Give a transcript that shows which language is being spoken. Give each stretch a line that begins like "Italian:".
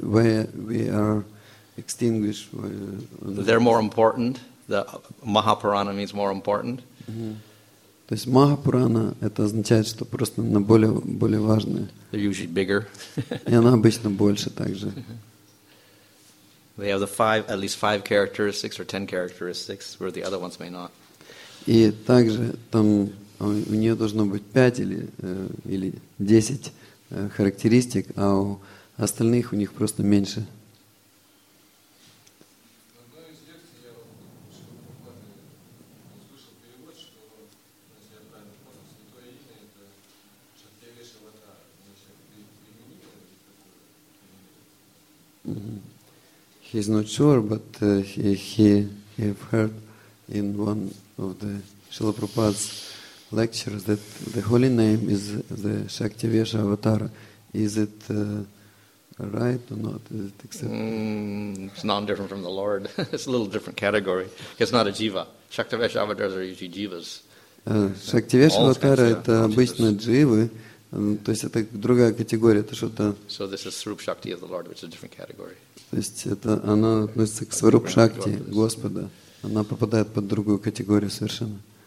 English: Why we are extinguished? They're more important. The Mahapurana means more important. Mm-hmm.
Russian: То есть Махапурана это означает, что просто она более важная.
English: They're usually bigger.
Russian: И она обычно больше также.
English: They have the five, at least five characteristics or ten characteristics, where the other ones may not.
Russian: И также там у нее должно быть 5 или 10 характеристик, а у остальных у них просто меньше.
English: He's not sure, but he have heard in one of the Srila Prabhupada's lectures that the holy name is the Shakti Vesha Avatara. Is it right or not? Is it accepted? It's not different from the Lord. It's a little different category. It's not a jiva. Shakti Vesha Avataras are usually jivas.
Russian: Shakti Vesha Avatara – это обычно дживы. То есть это другая категория, это что-то.
English: So this is Swarup Shakti of the Lord, which is a different category.
Russian: То есть это она относится к Swarup Shakti Господа. Она попадает под другую категорию совершенно.